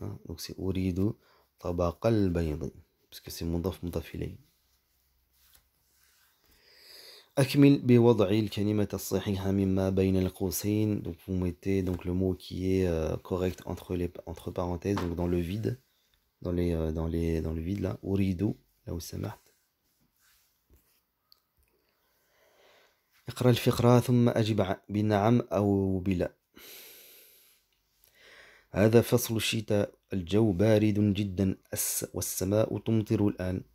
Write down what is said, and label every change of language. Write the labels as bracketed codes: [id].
[fr] Donc c'est [ar] أريد طبقة البيض. [fr] Parce que c'est [ar] مضاف مضاف إليه. أكمل بوضع الكلمة الصحيحة مما بين القوسين. [fr] Donc vous mettez donc le mot qui est correct entre parenthèses, donc dans le vide, dans le vide là. [ar] أريد [fr] là où [ar] سمحت. اقرأ الفقرة ثم أجب بنعم أو بلا. هذا فصل الشتاء. الجو بارد جدا والسماء تمطر الآن.